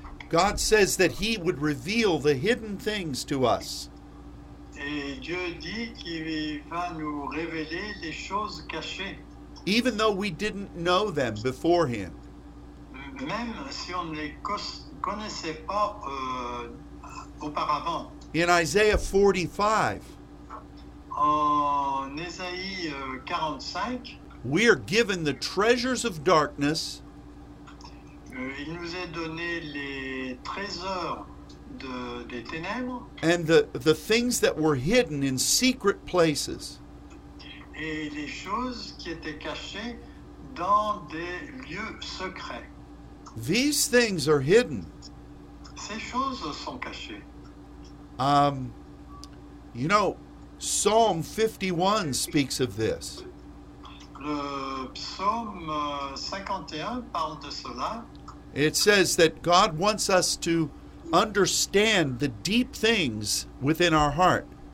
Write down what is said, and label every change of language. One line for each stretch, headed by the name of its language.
English: God says that he would reveal the hidden things to us.
French: Et Dieu dit qu'il va nous révéler les choses cachées.
English: Even though we didn't know them beforehand.
French: Même si on ne les connaissait pas auparavant.
English: In Isaiah 45.
French: En Esaïe 45.
English: We are given the treasures of darkness.
French: Il nous est donné les trésors des ténèbres.
English: And the things that were hidden in secret places.
French: Et les choses qui étaient cachées dans des lieux secrets.
English: These things are hidden.
French: Ces choses sont cachées.
English: You know, Psalm 51 speaks of this.
French: Le psaume 51 parle de cela.
English: It says that God wants us to understand the deep things within our heart.